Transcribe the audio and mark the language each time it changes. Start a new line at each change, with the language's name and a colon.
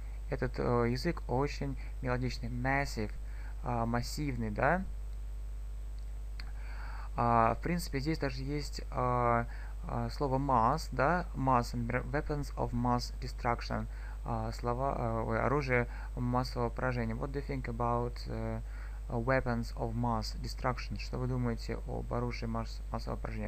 Russian: Этот язык очень мелодичный, massive, массивный, да? В принципе, здесь даже есть слово mass, да?
English: Mass,
Russian: например,
English: weapons of mass destruction.
Russian: Оружие массового поражения.
English: What do you think about weapons of mass destruction?
Russian: Что вы думаете об оружии массового поражения?